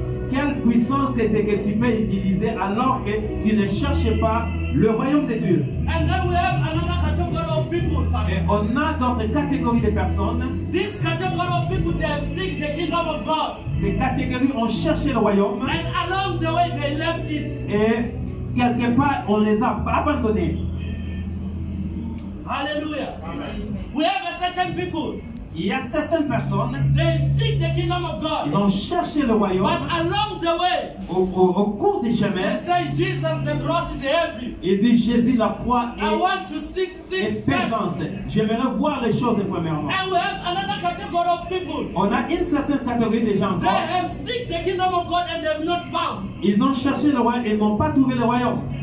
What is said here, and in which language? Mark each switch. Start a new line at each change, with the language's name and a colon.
French: Quelle puissance était que tu peux utiliser alors que tu ne cherchais pas le royaume de Dieu?
English: And then we have another category of people.
French: Et on a d'autres catégories de personnes.
English: This category of people, they have seek the kingdom of God.
French: Ces catégories ont cherché le royaume.
English: And along the way, they left it.
French: Et quelque part, on les a abandonnés. Hallelujah. Amen.
English: We have a certain people.
French: Il y a certaines personnes.
English: They seek the kingdom of God.
French: Ils ont cherché le royaume.
English: But along the way,
French: au cours du chemin,
English: they say Jesus, the cross is heavy.
French: Ils disent Jésus, la croix est
English: pesante. I want to seek things first.
French: J'aimerais voir les choses premièrement.
English: And we have another category of people.
French: On a une certaine catégorie de gens.
English: They have seek the kingdom of God and they have not found.
French: Ils ont cherché le royaume et n'ont pas trouvé le royaume.